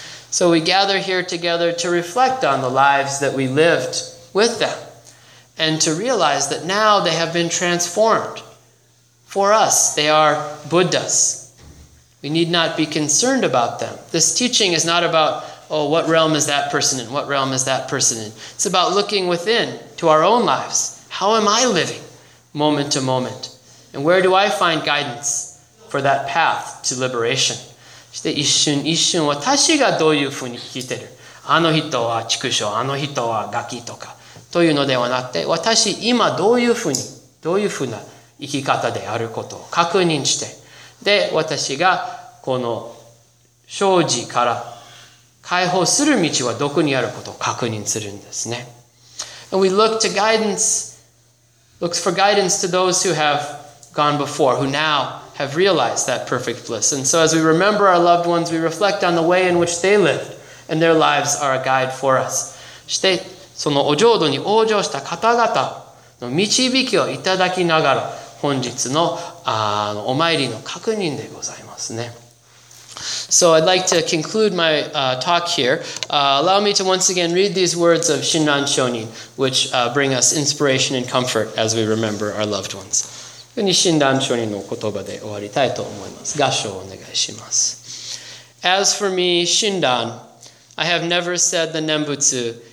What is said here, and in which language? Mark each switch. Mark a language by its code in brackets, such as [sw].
[en] So we gather here together to reflect on the lives that we lived with them and to realize that now they have been transformed. For us, they are Buddhas. We need not be concerned about them. This teaching is not about, oh, what realm is that person in? What realm is that person in? It's about looking within to our own lives. How am I living moment to moment? And where do I find guidance for that path to liberation? [ja] そして一瞬一瞬私がどういうふうに生きてる。あの人は畜生、あの人はガキとかというのではなくて、私今どういうふうに、どういうふうな生き方であることを確認して、で、私がこの生死から解放する道はどこにあることを確認するんですね。 [en] And we look to guidance, looks for guidance to those who have gone before, who now have realized that perfect bliss. And so as we remember our loved ones, we reflect on the way in which they lived, and their lives are a guide for us. [ja] そして、そのお浄土に往生した方々の導きをいただきながら、本日の、お参りの確認でございますね。 [en] So I'd like to conclude my talk here. Allow me to once again read these words of Shinran Shonin, which bring us inspiration and comfort as we remember our loved ones. [ja] 次に Shinran Shonin の言葉で終わりたいと思います。合唱をお願いします。 [en] As for me, Shinran, I have never said the Nembutsu,